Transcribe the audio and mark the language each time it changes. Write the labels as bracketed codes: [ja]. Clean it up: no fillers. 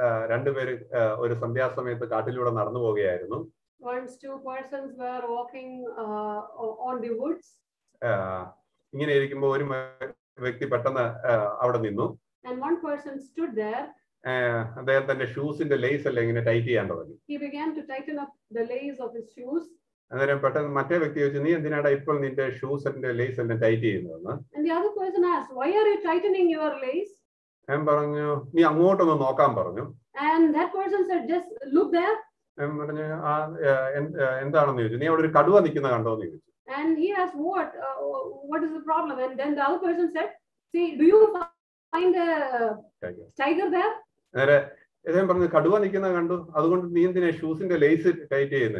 [ml] രണ്ടു പേര് ഒരു സന്ധ്യാ സമയത്ത് കാട്ടിലൂടെ നടന്നു പോവുകയായിരുന്നു [en] once two persons were walking on the woods [ml] ഇങ്ങനെ ഇരിക്കുമ്പോൾ ഒരു വ്യക്തി പെട്ടെന്ന് അവിടെ നിന്നു [en] and one person stood there [ml] അദ്ദേഹത്തിന്റെ ഷൂസിന്റെ ലേസ് എല്ലാം ഇങ്ങനെ ടൈറ്റ് ചെയ്യാൻ തുടങ്ങി [en] he began to tighten up the lace of his shoes [ml] അന്നേരം പെട്ടെന്ന് മറ്റേ വ്യക്തി ചോദിച്ചു നീ എന്തിനാടാ ഇപ്പോൾ നിന്റെ ഷൂസിന്റെ ലേസ് എല്ലാം ടൈറ്റ് ചെയ്യുന്നതെന്ന് [en] and the other person asked why are you tightening your lace [ml] ഞാൻ പറഞ്ഞു നീ അങ്ങോട്ട് ഒന്ന് നോക്കാൻ പറഞ്ഞു [en] and that person said just look there [ml] ഞാൻ പറഞ്ഞു ആ എന്താണെന്ന് ചോദിച്ചു നീ അവിടെ ഒരു കടുവ നിൽക്കുന്ന കണ്ടോ എന്ന് ചോദിച്ചു [en] and he asked what is the problem and then the other person said see do you find a tiger there [ml] കടുവ നിൽക്കുന്ന കണ്ടു അതുകൊണ്ട് നീ എന്തിനെ ഷൂസിന്റെ ലേസ് ടൈറ്റ്